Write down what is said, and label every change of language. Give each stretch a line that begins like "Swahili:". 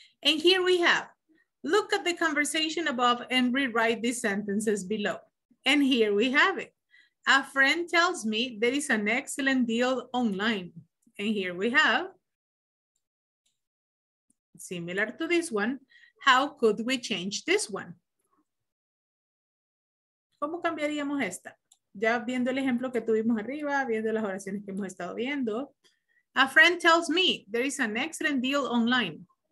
English: And here we have, look at the conversation above and rewrite these sentences below. And here we have it. A friend tells me there is an excellent deal online. And here we have, similar to this one, how could we change this one?
Spanish: ¿Cómo cambiaríamos esta? Ya viendo el ejemplo que tuvimos arriba, viendo las oraciones que hemos estado viendo.
English: A friend tells me there is an excellent deal online.